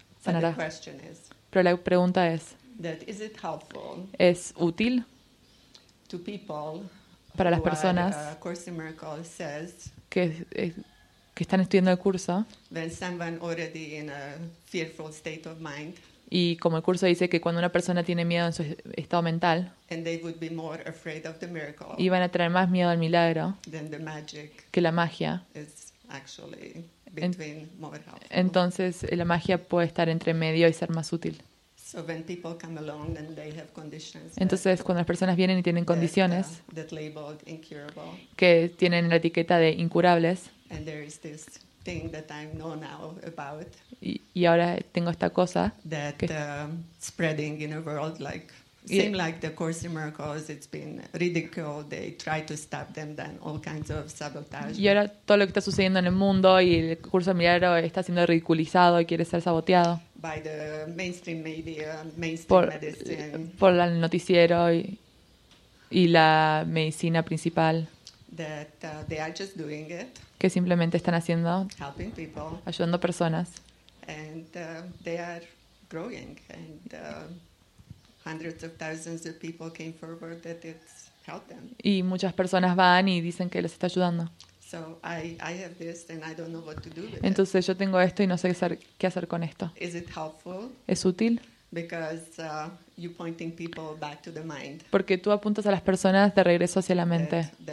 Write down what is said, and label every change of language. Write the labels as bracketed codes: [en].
[en] But the question is, [es] pero la pregunta es, [en] that is it helpful? [es] ¿Es útil? [en] To people [es] para las personas [en] who are, Course in Miracles says, [es] que están estudiando el curso. [en] When someone already in a fearful state of mind, [es] y como el curso dice que cuando una persona tiene miedo en su estado mental, [en] and they would be more afraid of the miracle, [es] y van a tener más miedo al milagro [en] than the magic, [es] que la magia. [en] Is actually between more helpful. [es] Entonces la magia puede estar entre medio y ser más útil. [en] So when people come along and they have conditions, [es] entonces cuando las personas vienen y tienen condiciones [en] that labeled incurable, [es] que tienen la etiqueta de incurables, [en] and there is this thing that I know now about, [es] y ahora tengo esta cosa [en] that spreading in a world like [es] Same like the Course in Miracles, it's been ridiculed, they try to stop them, then all kinds of sabotage. [en] Y ahora todo lo que está sucediendo en el mundo y el curso de milagro está siendo ridiculizado y quiere ser saboteado. [es] By the mainstream media, mainstream por, medicine. [en] Por el noticiero y la medicina principal. [es] That they are just doing it. [en] Que simplemente están haciendo. [es] Helping people. [en] Ayudando personas. [es] And they are growing and... [en] hundreds of thousands of people came forward that it's helped them. [es] Y muchas personas van y dicen que les está ayudando. [en] So I have this and I don't know what to do with it. [es] Entonces yo tengo esto y no sé qué hacer con esto. [en] Is it helpful? [es] ¿Es útil? [en] Because you pointing people back to the mind. [es] Porque tú apuntas a las personas de regreso hacia la mente.